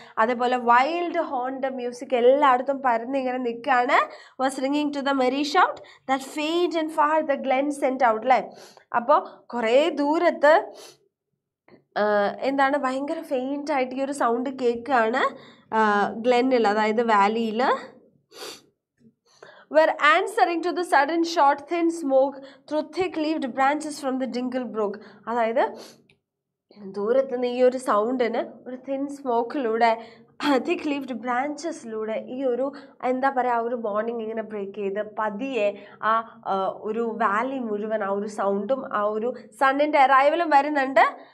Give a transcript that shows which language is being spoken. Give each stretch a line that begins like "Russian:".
Malayalam: അതേപോലെ wild haunt music എല്ലായിടത്തും പരന്നിങ്ങനെ നിൽക്കുകയാണ്.
English: Was ringing to the merry shout that faint and far the glen sent out അല്ലേ.
Malayalam: അപ്പോൾ കുറേ ദൂരത്ത് എന്താണ് ഭയങ്കര ഫെയിൻ്റ് ആയിട്ട് ഈ ഒരു സൗണ്ട് കേൾക്കുകയാണ് ഗ്ലെനിൽ, അതായത് വാലിയിൽ.
English: Were answering to the sudden short thin smoke through thick leaved branches from the dingle brook.
Malayalam: അതായത് ദൂരത്ത് നിന്ന് ഈ ഒരു സൗണ്ടിന് ഒരു തിൻ സ്മോക്കിലൂടെ തിക് ലീവ്ഡ് ബ്രാഞ്ചസിലൂടെ ഈ ഒരു എന്താ പറയുക, ആ ഒരു മോർണിംഗ് ഇങ്ങനെ ബ്രേക്ക് ചെയ്ത് പതിയെ ആ ഒരു വാലി മുഴുവൻ ആ ഒരു സൗണ്ടും ആ ഒരു സണ്ണിൻ്റെ അറൈവലും വരുന്നുണ്ട്.